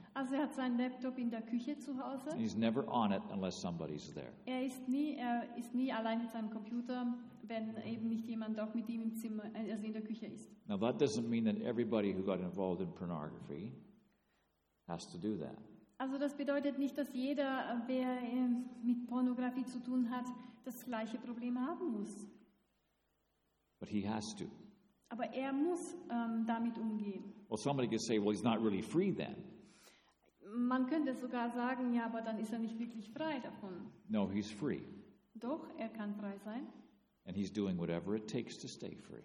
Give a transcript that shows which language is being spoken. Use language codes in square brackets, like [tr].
[de] Also er hat seinen Laptop in der Küche zu Hause. [en] He's never on it unless somebody's there. [de] Er ist nie allein mit seinem Computer, wenn eben nicht jemand auch mit ihm im Zimmer, also in der Küche ist. [en] Now that doesn't mean that everybody who got involved in pornography has to do that. [de] Also das bedeutet nicht, dass jeder, wer mit Pornografie zu tun hat, das gleiche Problem haben muss. [en] But he has to. [de] Aber er muss damit umgehen. [en] Well, somebody could say, well, he's not really free then. [de] Man könnte sogar sagen, ja, aber dann ist er nicht wirklich frei davon. [en] No, he's free. [de] Doch, er kann frei sein. [en] And he's doing whatever it takes to stay free.